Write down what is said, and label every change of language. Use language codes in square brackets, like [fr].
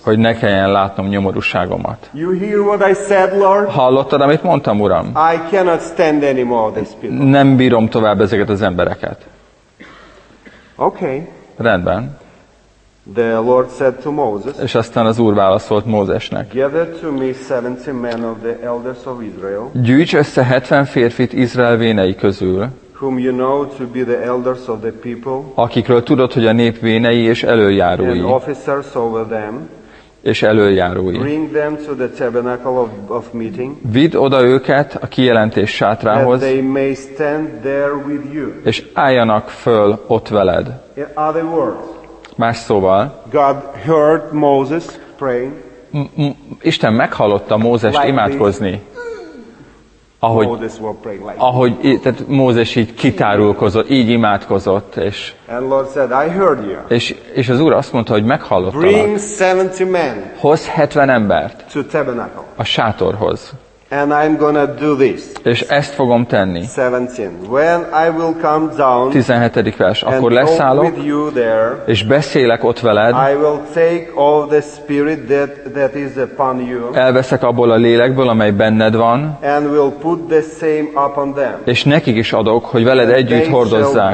[hu] Hogy ne kelljen látnom nyomorúságomat. [en] You hear what I said, Lord? [hu] Hallottad, amit mondtam, Uram? [en] I cannot stand anymore these people. [hu] Nem bírom tovább ezeket az embereket. [en] Okay. [hu] Rendben. [en] The Lord said to Moses. [hu] És aztán az Úr válaszolt Mózesnek. [en] Gather to me 70 men of the elders of Israel. [hu] Gyűjts össze 70 férfit Izrael vénei közül. [en] Whom you know to be the elders of the people. [hu] Akikről tudod, hogy a nép vénei és előjárói. [en] And officers over them. [hu] És előjárói. [en] Bring them to the tabernacle of meeting. [hu] Vidd oda őket a kijelentés sátrához. [en] That they may stand there with you. [hu] És álljanak föl ott veled. [en] In other words. [hu] Más szóval. [en] God heard Moses praying. [hu] Isten meghallotta Mózest [en] like [hu] imádkozni. [en] This. [hu] Ahogy, [en] Moses will pray like [hu] ahogy tehát Mózes így kitárulkozott, így imádkozott, és [en] And Lord said, I heard you. [hu] És az Úr azt mondta, hogy meghallottalak. [en] Bring 70 men. [hu] Hozz 70 embert. [en] To tabernacle. [hu] A sátorhoz. [en] And I'm gonna do this. [hu] És ezt fogom tenni. [en] 17. When I will come down. [hu] 17. vers. Akkor leszállok. [en] With you there, [hu] és beszélek ott veled. [en] I will take all the spirit that is upon you. [hu] Elveszek abból a lélekből, amely benned van. [en] And will put the same upon them. [hu] És nekik is adok, hogy veled együtt hordozzák.